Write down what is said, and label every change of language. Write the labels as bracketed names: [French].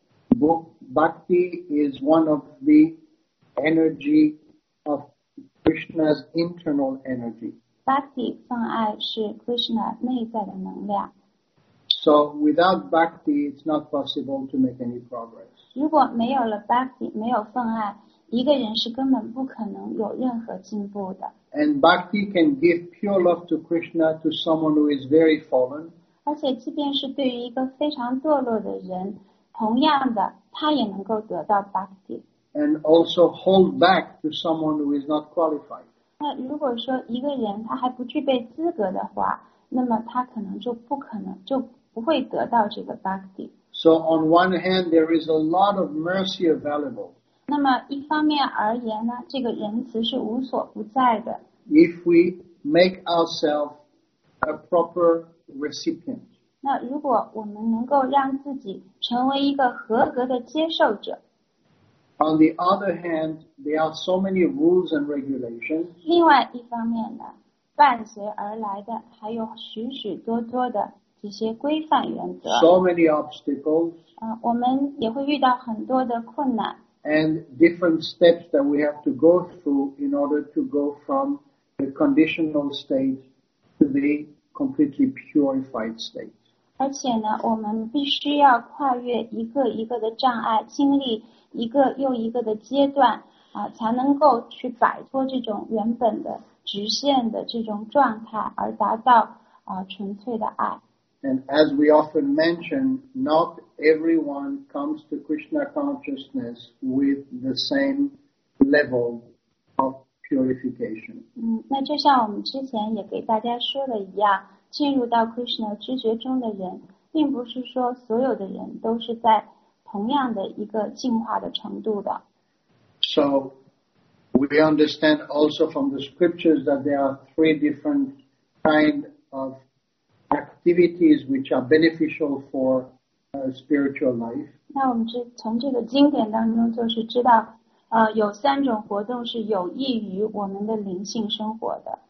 [English] Bhakti is one of the energy of Krishna's internal energy. [Chinese] Bhakti 奉爱是 Krishna 内在的能量。 [English] So without bhakti, it's not possible to make any progress. [Chinese] 如果没有了 bhakti, 没有奉爱，一个人是根本不可能有任何进步的。 [English] And bhakti can give pure love to Krishna to someone who is very fallen. [Chinese] 而且即便是对于一个非常堕落的人，同样的，他也能够得到 bhakti. [English] And also hold back to someone who is not qualified. [Chinese] 那如果说一个人他还不具备资格的话，那么他可能就不会得到这个 bhakti. [English] So on one hand, there is a lot of mercy available. [Chinese] 那么一方面而言呢，这个仁慈是无所不在的。 [English] If we make ourselves a proper recipient. [Chinese] 那如果我们能够让自己成为一个合格的接受者。 [English] On the other hand, there are so many rules and regulations. [Chinese] 另外一方面呢，伴随而来的还有许许多多的这些规范原则。 [English] So many obstacles. [Chinese] 我们也会遇到很多的困难。 [English] And different steps that we have to go through in order to go from the conditional state to the completely purified state. [Chinese] 而且呢，我们必须要跨越一个一个的障碍，经历一个又一个的阶段啊，才能够去摆脱这种原本的局限的这种状态，而达到纯粹的爱。 [English] And as we often mention, not everyone comes to Krishna consciousness with the same level of purification. [Chinese] 那就像我们之前也给大家说的一样。进入到 Krishna 知觉中的人，并不是说所有的人都是在同样的一个进化的程度的。 [English] So, we understand also from the scriptures that there are three different kind of activities which are beneficial for spiritual life. [Chinese] 那我们从这个经典当中就是知道，有三种活动是有益于我们的灵性生活的。